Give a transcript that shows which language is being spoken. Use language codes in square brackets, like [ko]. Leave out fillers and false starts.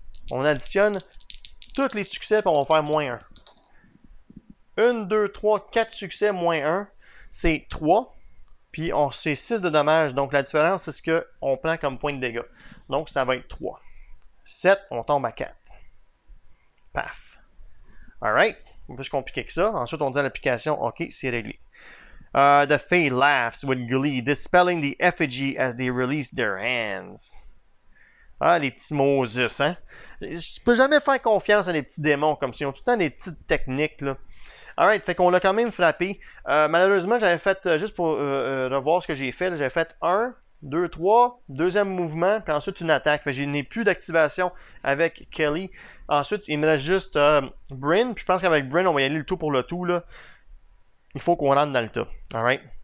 [fr] On additionne tous les succès, puis on va faire moins un. 1, 2, 3, 4 succès, moins un. C'est 3. Puis on c'est 6 de dommages. Donc la différence, c'est ce qu'on prend comme point de dégâts. Donc ça va être 3. 7, on tombe à 4. Paf. Alright. Un peu plus compliqué que ça. Ensuite, on dit à l'application, OK, c'est réglé. [en] The Fae laughs with glee, dispelling the effigy as they release their hands. [fr] Ah, les petits Moses, hein? Je peux jamais faire confiance à des petits démons comme ça. Ils ont tout le temps des petites techniques, là. Alright, fait qu'on l'a quand même frappé. Malheureusement, j'avais fait, juste pour revoir ce que j'ai fait, là, j'avais fait 1, 2, 3, deuxième mouvement, puis ensuite une attaque. Fait que je n'ai plus d'activation avec Kelly. Ensuite, il me reste juste Bryn, puis je pense qu'avec Bryn, on va y aller le tout pour le tout, là. Il faut qu'on rentre dans le tas. Alright?